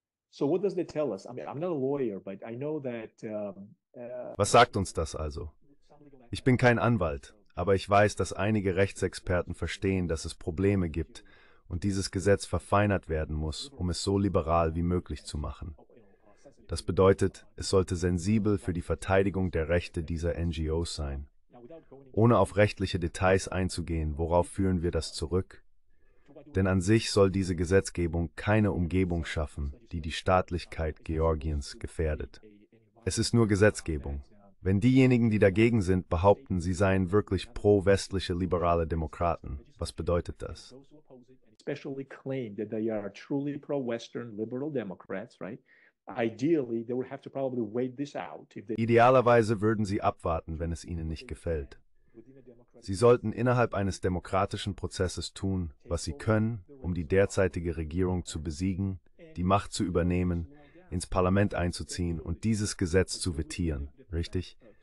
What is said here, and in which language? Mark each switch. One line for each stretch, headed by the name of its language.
English: So what does they tell us? I mean, I'm not a lawyer, but I know that.
German: Was sagt uns das also? Ich bin kein Anwalt, aber ich weiß, dass einige Rechtsexperten verstehen, dass es Probleme gibt und dieses Gesetz verfeinert werden muss, um es so liberal wie möglich zu machen. Das bedeutet, es sollte sensibel für die Verteidigung der Rechte dieser NGOs sein. Ohne auf rechtliche Details einzugehen, worauf führen wir das zurück? Denn an sich soll diese Gesetzgebung keine Umgebung schaffen, die die Staatlichkeit Georgiens gefährdet. Es ist nur Gesetzgebung. Wenn diejenigen, die dagegen sind, behaupten, sie seien wirklich pro-westliche liberale Demokraten, was bedeutet das?
English: Especially claim that they are truly pro-Western liberal Democrats, right? Ideally, they would have to probably wait this out.
German: Idealerweise würden sie abwarten, wenn es ihnen nicht gefällt. Sie sollten innerhalb eines demokratischen Prozesses tun, was sie können, um die derzeitige Regierung zu besiegen, die Macht zu übernehmen, ins Parlament einzuziehen und dieses Gesetz zu vetieren, richtig?